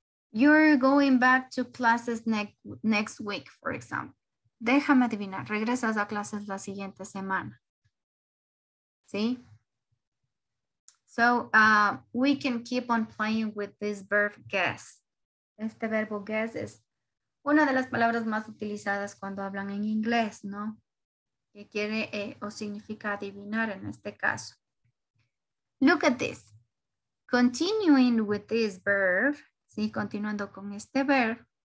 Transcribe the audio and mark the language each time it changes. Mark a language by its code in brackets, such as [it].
[en] You're going back to classes next week, for example. [es] Déjame adivinar, regresas a clases la siguiente semana. ¿Sí? [en] So, we can keep on playing with this verb guess. [es] Este verbo guess es una de las palabras más utilizadas cuando hablan en inglés, ¿no? Que quiere o significa adivinar en este caso. [en] Look at this. Continuing with this verb, ¿sí? [es] Continuando con este [en] verb.